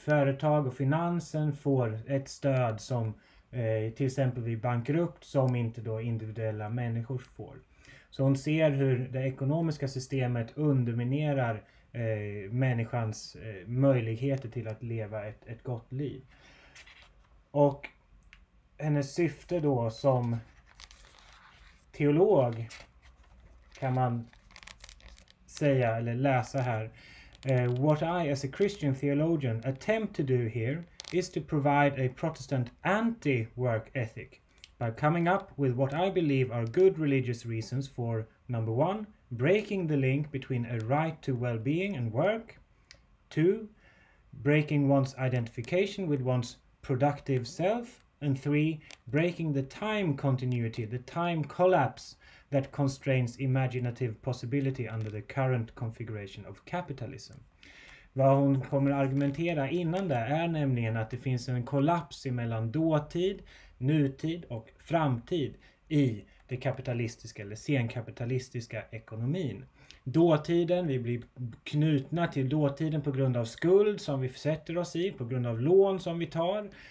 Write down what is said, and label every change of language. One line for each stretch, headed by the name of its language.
Swedish: Företag och finansen får ett stöd som till exempel vid bankrutt, som inte då individuella människor får. Så hon ser hur det ekonomiska systemet underminerar människans möjligheter till att leva ett gott liv. Och hennes syfte då som teolog kan man säga eller läsa här:
English: what I as a Christian theologian attempt to do here is to provide a Protestant anti-work ethic by coming up with what I believe are good religious reasons for, number one, breaking the link between a right to well-being and work, two, breaking one's identification with one's productive self, and three, breaking the time continuity, the time collapse that constrains imaginative possibility under the current configuration of capitalism.
Swedish: Vad hon kommer att argumentera innan det är nämligen att det finns en kollaps mellan dåtid, nutid och framtid i det kapitalistiska eller senkapitalistiska ekonomin. Dåtiden, vi blir knutna till dåtiden på grund av skuld som vi sätter oss i, på grund av lån som vi tar.